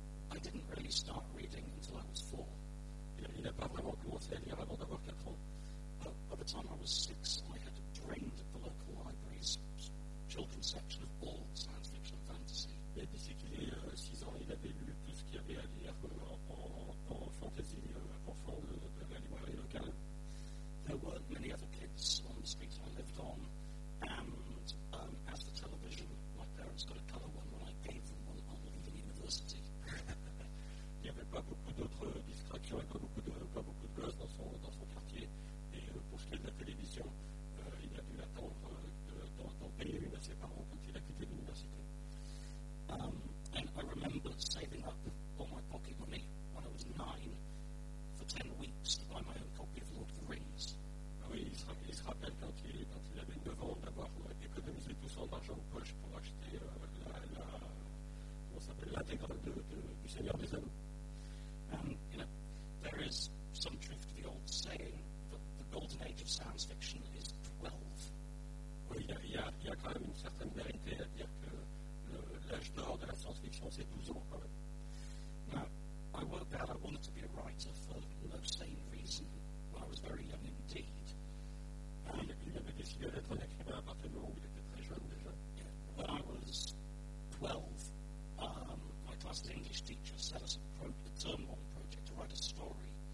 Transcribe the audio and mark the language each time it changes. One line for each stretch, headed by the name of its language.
English: I didn't really start reading until I was four.
French: Il n'a pas vraiment commencé à lire avant d'avoir 4 ans.
English: By the time I was 6, I had drained the local library's children's section of all science fiction and fantasy.
French: Et d'ici qu'il ait 6 ans, il avait lu tout ce qu'il y avait à lire en fantasy, enfant de la librairie locale.
English: There were many other kids on the street I lived on. As the television, my parents got a colour one when I gave them one on leaving university.
French: Il n'y avait pas beaucoup d'autres distractions, et pas beaucoup de gosses dans son quartier. Et pour ce qui est de la télévision, il a dû attendre d'en payer une à ses parents quand il a quitté l'université.
English: And I remember saving up all my pocket money when I was 9 for 10 weeks to buy my own copy of Lord of the Rings.
French: Oui, il se rappelle quand il avait 9 ans d'avoir économisé tout son argent de poche pour acheter l'intégrale du Seigneur des Anneaux.
English: You know, there is some truth to the old saying that the golden age of science fiction is 12.
French: Oui, il y a quand même une certaine vérité à dire que l'âge d'or de la science-fiction, c'est 12 ans quand même.
English: Now, I worked out I wanted to be a writer for no sane reason when I was very young indeed.
French: Il avait décidé d'être un écrivain à partir du moment où il était très jeune déjà.
English: When I was 12, my class of English teacher set us a term long project to write a story.